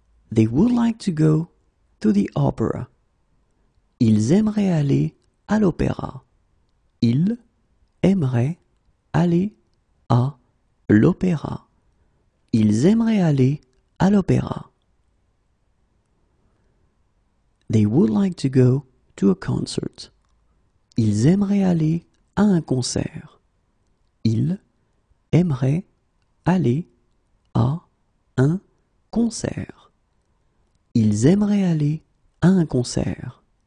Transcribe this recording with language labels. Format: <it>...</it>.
<en>They would like to go to the opera.</en> <fr>Ils aimeraient aller à l'opéra. Ils aimeraient aller à l'opéra. Ils aimeraient aller à l'opéra.</fr> <en>They would like to go to a concert.</en> <fr>Ils aimeraient aller à un concert. Ils aimeraient aller à un concert. Ils aimeraient aller à un concert.</fr>